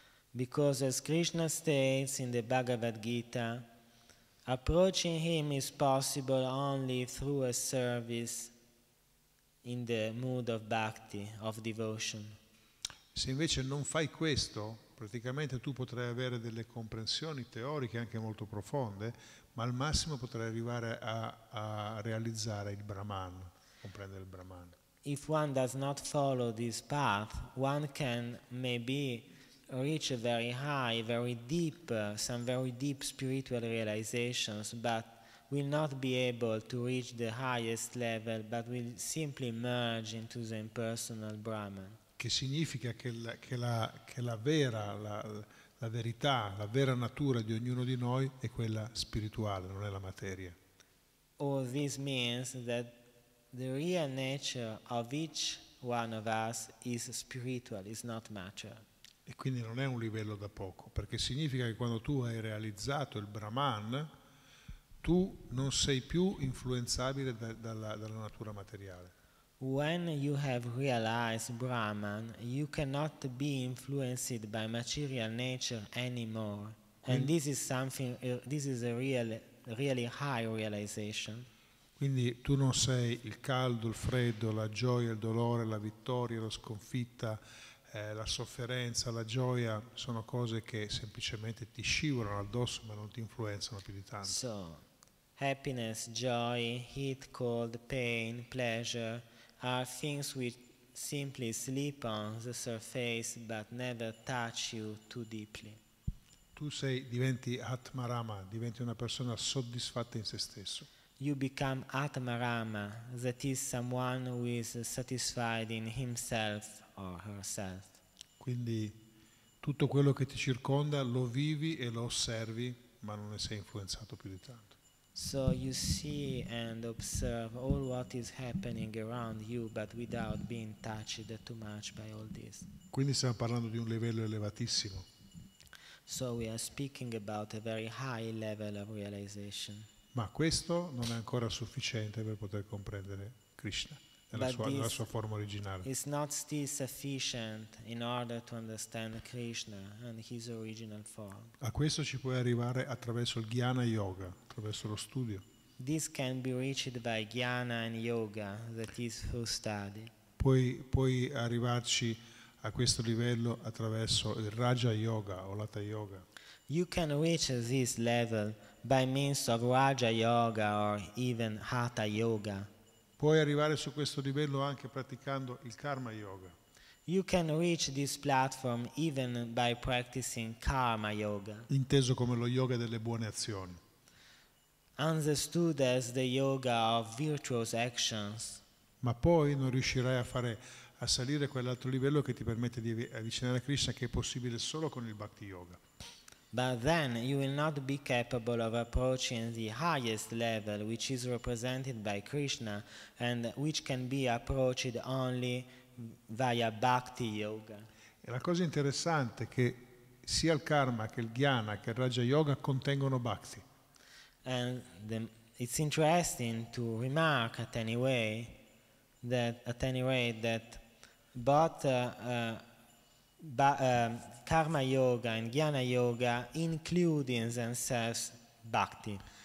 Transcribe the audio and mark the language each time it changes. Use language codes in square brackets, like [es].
[en] Because as Krishna states in the Bhagavad Gita, approaching him is possible only through a service in the mood of bhakti, of devotion. [it] Se invece non fai questo, praticamente tu potrai avere delle comprensioni teoriche anche molto profonde, ma al massimo potrai arrivare a realizzare il Brahman, comprendere il Brahman. [en] If one does not follow this path, one can maybe reach a very high, very deep, some very deep spiritual realizations, but will not be able to reach the highest level, but will simply merge into the impersonal Brahman. [it] Che significa che la verità, la vera natura di ognuno di noi è quella spirituale, non è la materia. [en] All this means that the real nature of each one of us is spiritual, is not material. [it] E quindi non è un livello da poco, perché significa che quando tu hai realizzato il Brahman, tu non sei più influenzabile dalla natura materiale. [en] When you have realized Brahman, you cannot be influenced by material nature anymore. And this is a really high realization. [it] Quindi tu non sei il caldo, il freddo, la gioia, il dolore, la vittoria, la sconfitta. La sofferenza, la gioia sono cose che semplicemente ti scivolano addosso, ma non ti influenzano più di tanto. [en] So, happiness, joy, heat, cold, pain, pleasure are things which simply slip on the surface but never touch you too deeply. [it] Tu sei, diventi Atmarama, diventi una persona soddisfatta in se stesso. [en] You become Atmarama, that is someone who is satisfied in himself or herself. [it] Quindi tutto quello che ti circonda lo vivi e lo osservi, ma non ne sei influenzato più di tanto. [en] So you see and observe all what is happening around you, but without being touched too much by all this. [it] Quindi stiamo parlando di un livello elevatissimo. [en] So we are speaking about a very high level of realization. [it] Ma questo non è ancora sufficiente per poter comprendere Krishna nella sua forma originale. [en] It's not still sufficient in order to understand Krishna and his original form. [it] A questo ci puoi arrivare attraverso il Jnana Yoga, attraverso lo studio. [en] This can be reached by Jnana and Yoga, that is through study. [it] Puoi arrivarci a questo livello attraverso il Raja Yoga o l'Hatha Yoga. [en] You can reach this level by means of Raja Yoga or even Hatha Yoga. [it] Puoi arrivare su questo livello anche praticando il Karma Yoga. [en] You can reach this platform even by practicing Karma Yoga. [it] Inteso come lo yoga delle buone azioni. [en] Understood as the yoga of virtuous actions. [it] Ma poi non riuscirai a salire quell'altro livello che ti permette di avvicinare a Krishna, che è possibile solo con il Bhakti Yoga. [en] But then you will not be capable of approaching the highest level, which is represented by Krishna, and which can be approached only via Bhakti Yoga. [it] E la cosa interessante è che sia il Karma, che il Jnana, che il Raja Yoga contengono Bhakti. [en] And it's interesting to remark at any way that Karma Yoga and Jnana Yoga include in themselves Bhakti.